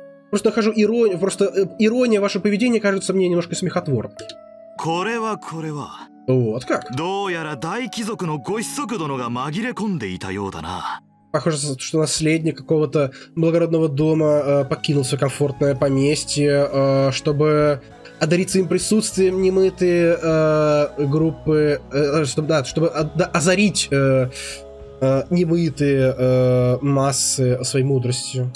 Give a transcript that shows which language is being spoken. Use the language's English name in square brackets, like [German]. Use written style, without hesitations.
[Russian] просто нахожу иронию... Просто ирония ваше поведение кажется мне немножко смехотворной. [Japanese] これはこれは。 [Russian] Вот как. [Japanese] どうやら大貴族のご子息殿が紛れ込んでいたようだな。 [Russian] Похоже, что наследник какого-то благородного дома покинул свое комфортное поместье, чтобы одарить своим присутствием немытые группы, чтобы, да, чтобы озарить немытые массы своей мудростью.